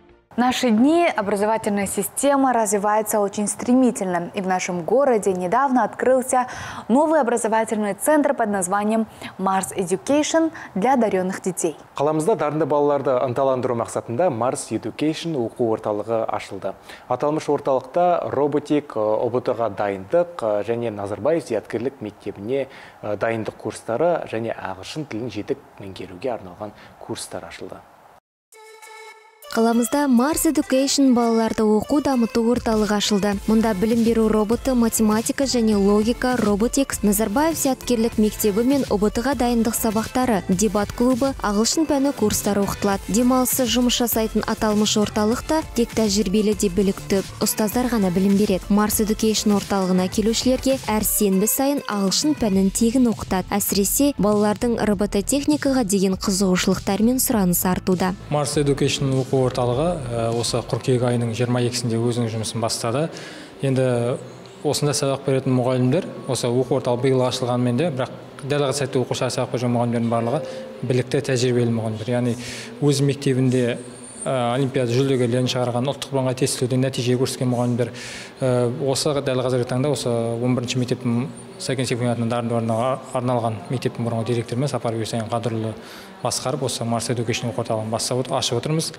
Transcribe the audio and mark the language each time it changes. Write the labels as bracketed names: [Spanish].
[Russian] В наши дни образовательная система развивается очень стремительно. И в нашем городе недавно открылся новый образовательный центр под названием Mars Education для одаренных детей. [Kazakh] Қаламызда дарынды балаларды ынталандыру мақсатында Mars Education оқу орталығы ашылды. Аталмыш орталықта роботик, ОБТ-ға дайындық және Назарбаев зияткерлік мектебіне дайындық курстары және ағылшын тілін жетік меңгеруге арналған курстар ашылды. Қаламызда Mars Education балаларды оқу дамыту орталығы ашылды. Мұнда білім беру роботы, математика және логика, роботикс, Назарбаев зияткерлік мектебі мен ОБТ-ға дайындық сабақтары, дебат клубы, ағылшын пәні курстары оқытылады. Демалысы жұмыс жасайтын аталмыш орталықта тек тәжірибелі де білікті ұстаздар ғана білім береді. Mars Education орталығына келушілерге әр сенбі сайын ағылшын пәнін тегін оқытады. Әсіресе балалардың робототехникаға деген қызығушылықтары мен сұранысы артуда. Mars Education оқу орталығы осы 42 айының 22-сінде өзінің жұмысын бастады. Енді осында сабақ беретін мұғалімдер осы оқу орталығы биыл ашылғанымен де, бірақ дәл қазір сәтте оқушылар сабақ берген мұғалімдердің барлығы білікті тәжірибелі мұғалімдер. Яғни өз мектебінде олимпиада жүлдегерлерін шығарған ұлттық бірыңғай тестілеуден нәтиже көрсеткен мұғалімдер осы дәл қазіргі таңда осы 11-ші мектептің сәкен сейфуллинатының дарындыларына арналған мектептің бұрынғы директорымен Сапар Бейсаин қадірлі басқарып осы Mars Education оқу орталығын ашып отырмыз.